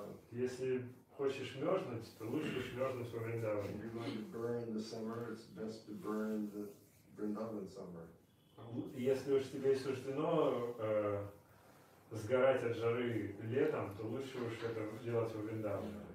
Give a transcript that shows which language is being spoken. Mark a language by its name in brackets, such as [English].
[Russian] Если хочешь мерзнуть, то лучше мерзнуть во Вриндаване. [English] If you're going to burn the summer, it's best to burn the Vrindavan summer. [Russian] Если уж тебе суждено сгорать от жары летом, то лучше уж это делать во Вриндаване.